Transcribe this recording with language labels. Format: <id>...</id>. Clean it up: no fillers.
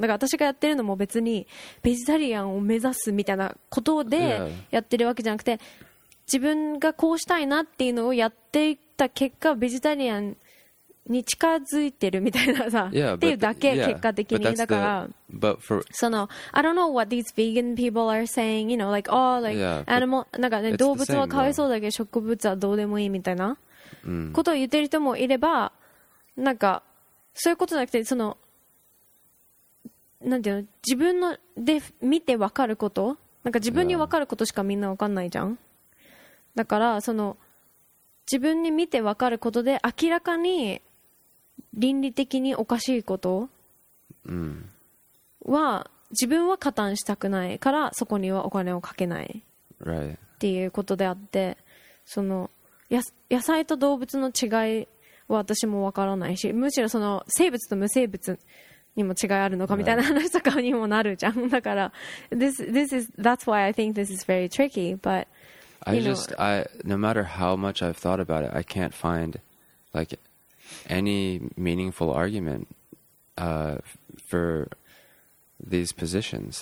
<ja>だから私がやってるのも別にベジタリアンを目指すみたいなことでやってるわけじゃなくて、自分がこうしたいなっていうのをやっていった結果ベジタリアンに近づいてるみたいなさ、</ja> <en>yeah,</en> <ja>っていうだけ結果的に、</ja> <en>yeah,</en> <ja>だから</ja> <en>but for...</en> <ja>その</ja> <en>I don't know what these vegan people are saying, you know, like, oh, like, yeah, animal,</en> <ja>なんかね、動物はかわいそうだけど植物はどうでもいいみたいなことを言ってる人もいれば、なんかそういうことじゃなくて、そのなんていうの、自分ので見て分かること、なんか自分に分かることしかみんな分かんないじゃん。だからその自分に見て分かることで明らかに倫理的におかしいことは自分は加担したくないから、そこにはお金をかけないっていうことであって、その野菜と動物の違いは私も分からないし、むしろその生物と無生物にも違いあるのかみたいな話とかにもなるじゃん。だから</ja> <en>that's why I think this is very tricky, but I no matter how much I've thought about it, I can't find like any meaningful argument for these positions.</en>